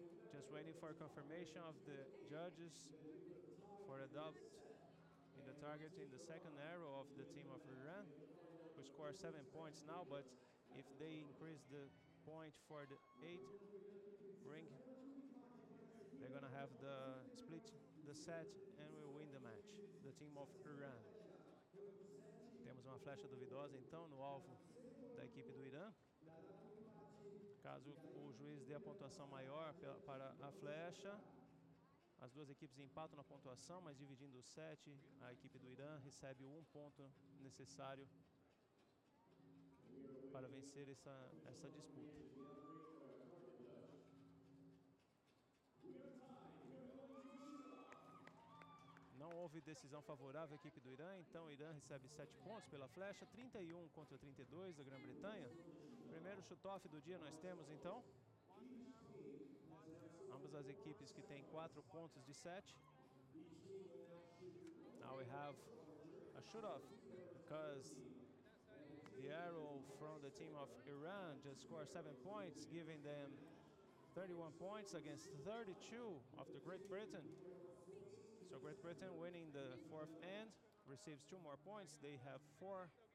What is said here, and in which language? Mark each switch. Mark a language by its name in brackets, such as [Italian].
[English] Just waiting for confirmation of the judges for a doubt in the target in the second arrow of the team of Iran, who score 7 points now, but if they increase the point for the 8 ring, they're gonna have the split the set and we'll win the match, the team of Iran. [Portuguese] Temos uma flecha duvidosa então no alvo da equipe do Irã. Caso o juiz dê a pontuação maior para a flecha, as duas equipes empatam na pontuação, mas dividindo o set, a equipe do Irã recebe o 1 ponto necessário para vencer essa disputa. Não houve decisão favorável à equipe do Irã, então o Irã recebe 7 pontos pela flecha, 31 contra 32 da Grã-Bretanha. Primeiro shoot-off do dia nós temos, então, ambas as equipes que têm 4 pontos de 7. [English] Now we have a shoot-off, because the arrow from the team of Iran just scored 7 points, giving them 31 points against 32 of the Great Britain. So Great Britain winning the fourth end receives 2 more points. They have 4